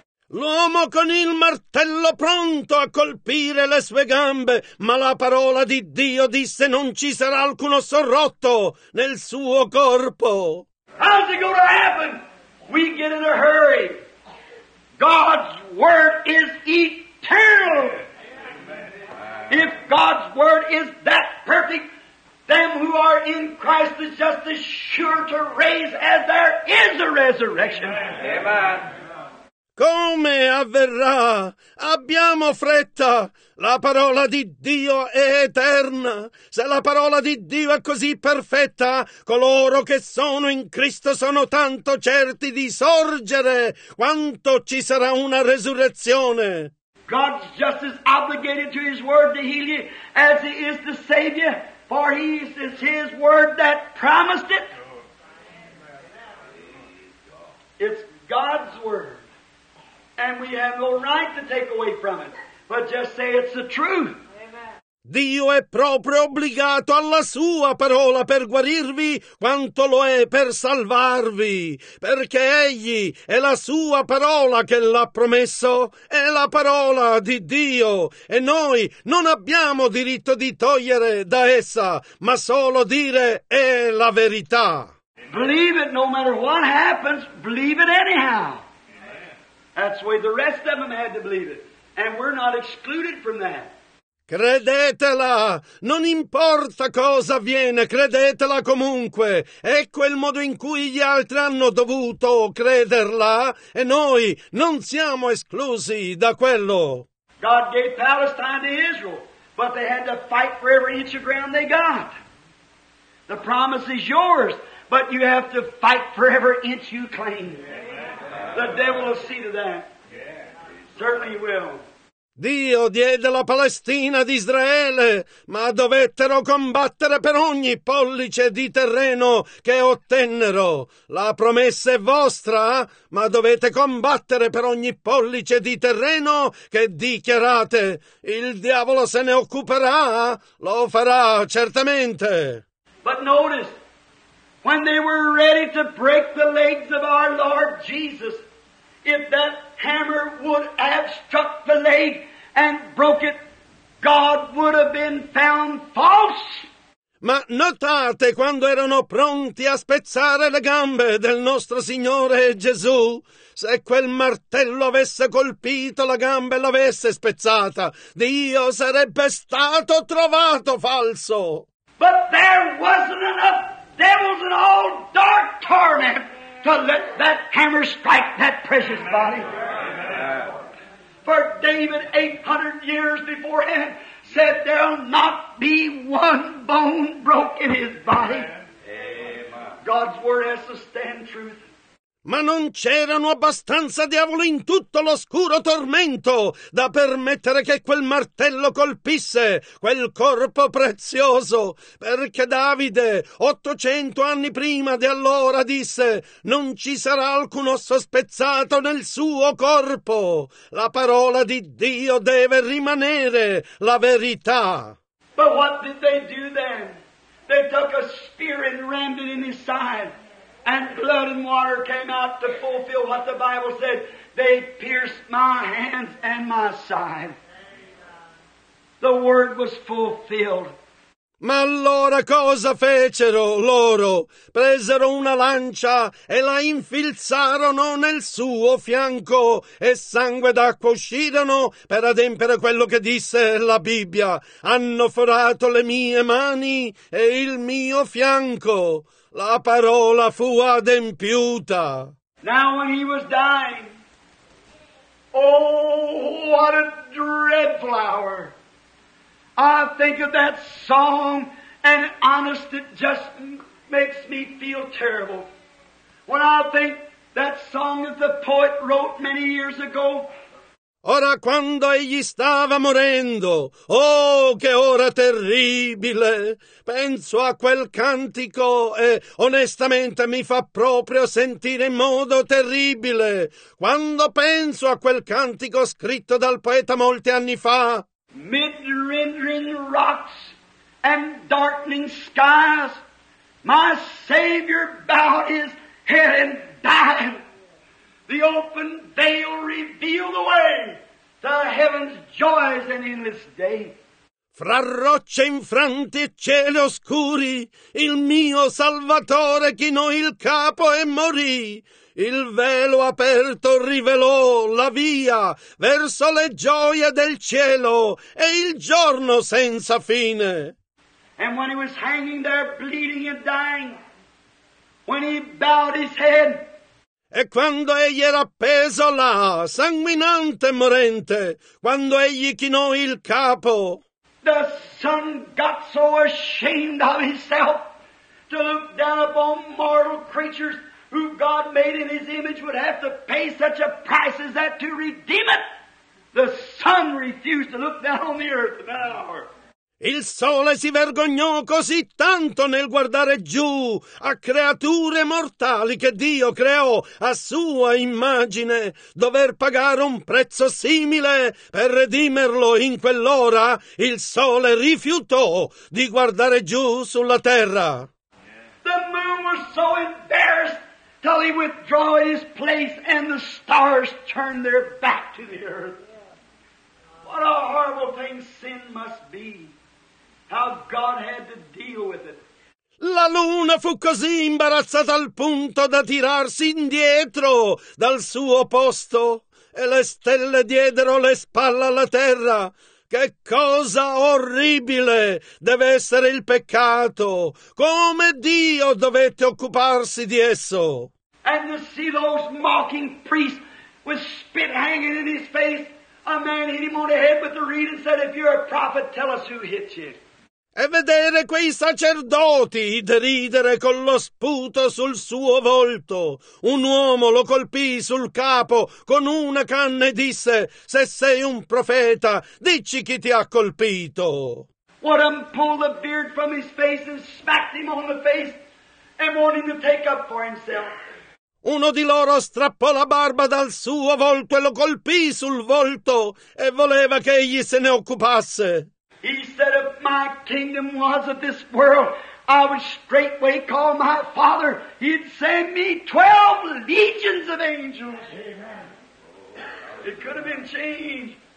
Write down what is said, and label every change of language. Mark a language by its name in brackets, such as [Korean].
[Italian] L'uomo con il martello pronto a colpire le sue gambe, ma la parola di Dio disse non ci sarà alcuno sorrotto nel suo corpo. [English] How's it gonna happen? We get in a hurry. God's word is eternal. If God's word is that perfect, them who are in Christ is just as sure to raise as there is a resurrection. Amen. [Italian] Come avverrà? Abbiamo fretta. La parola di Dio è eterna. Se la parola di Dio è così perfetta, coloro che sono in Cristo sono tanto certi di sorgere quanto ci sarà una resurrezione. [English] God's just as obligated to his word to heal you as he is to save you, for he is his word that promised it. It's God's word. and we have no right to take away from it, but just say it's the truth. [Italian] Dio è proprio obbligato alla sua parola per guarirvi quanto lo è per salvarvi, perché egli è la sua parola che l'ha promesso, è la parola di Dio, e noi non abbiamo diritto di togliere da essa, ma solo dire è la verità. [English] Believe it, no matter what happens, believe it anyhow. That's the way the rest of them had to believe it, and we're not excluded from that. [Italian] Credetela, non importa cosa avviene, credetela comunque. Ecco il modo in cui gli altri hanno dovuto crederla, e noi non siamo esclusi da quello. [English] God gave Palestine to Israel, but they had to fight for every inch of ground they got. The promise is yours, but you have to fight for every inch you claim. The devil will see to that. Certainly he will. [Italian] Dio diede la Palestina ad Israele, ma dovettero combattere per ogni pollice di terreno che ottennero. La promessa è vostra, ma dovete combattere per ogni pollice di terreno che dichiarate. Il diavolo se ne occuperà, lo farà certamente. [English] But notice, when they were ready to break the legs of our Lord Jesus, if that hammer would have struck the leg and broke it, God would have been found false. [Italian] Ma notate, quando erano pronti a spezzare le gambe del nostro Signore Gesù, se quel martello avesse colpito la gamba e l'avesse spezzata, Dio sarebbe stato trovato falso. [English] But there wasn't enough devils in all dark torment to let that hammer strike that precious body. For David, 800 years beforehand, said there'll not be one bone broke in his body. God's word has to stand truth. [Italian] Ma non c'erano abbastanza diavoli in tutto l'oscuro tormento da permettere che quel martello colpisse quel corpo prezioso, perché Davide 800 anni prima di allora disse: non ci sarà alcun osso spezzato nel suo corpo. La parola di Dio deve rimanere la verità. [English] But what did they do then? They took a spear and rammed it in his side. And blood and water came out to fulfill what the Bible said. They pierced my hands and my side. The word was fulfilled. [Italian] Ma allora cosa fecero loro? Presero una lancia e la infilzarono nel suo fianco, e sangue d'acqua uscirono per adempiere quello che disse la Bibbia. Hanno forato le mie mani e il mio fianco. La parola fu adempiuta. [English] Now when he was dying, oh, what a dreadful hour. I think of that song, and honest, it just makes me feel terrible. When I think that song that the poet wrote many years ago. [Italian] Ora quando egli stava morendo, oh che ora terribile, penso a quel cantico e onestamente mi fa proprio sentire in modo terribile. Quando penso a quel cantico scritto dal poeta molti anni fa. [English] Mid rending rocks and darkening skies, my Savior bowed his head and died. The open veil revealed the way to heaven's joys and endless day. [Italian] Fra rocce infranti e cieli oscuri, il mio Salvatore chinò il capo e morì. Il velo aperto rivelò la via verso le gioie del cielo e il giorno senza fine. [English] And when he was hanging there bleeding and dying, when he bowed his head. [Italian] E quando egli era appeso là, sanguinante e morente, quando egli chinò il capo. [English] The son got so ashamed of himself to look down upon mortal creatures who God made in his image would have to pay such a price as that to redeem it. The son refused to look down on the earth in that hour. [Italian] Il sole si vergognò così tanto nel guardare giù a creature mortali che Dio creò a sua immagine, dover pagare un prezzo simile per redimerlo in quell'ora. Il sole rifiutò di guardare giù sulla terra. [English] The moon was so embarrassed till he withdrew his place and the stars turned their back to the earth. What a horrible thing sin must be. How God had to deal with it. [Italian] La luna fu così imbarazzata al punto da tirarsi indietro dal suo posto e le stelle diedero le spalle alla terra. Che cosa orribile deve essere il peccato! Come Dio dovette occuparsi di esso! [English] And to see those mocking priests with spit hanging in his face, a man hit him on the head with the reed and said, if you're a prophet, tell us who hit you. [Italian] E vedere quei sacerdoti deridere con lo sputo sul suo volto. Un uomo lo colpì sul capo con una canna e disse, se sei un profeta, dicci chi ti ha colpito. [English] One pulled the beard from his face and smacked him on the face and wanted him to take up for himself. [Italian] Uno di loro strappò la barba dal suo volto e lo colpì sul volto e voleva che egli se ne occupasse. [English] He said, if my kingdom was of this world, I would straightway call my father. He'd send me 12 legions of angels. Amen. It could have been changed.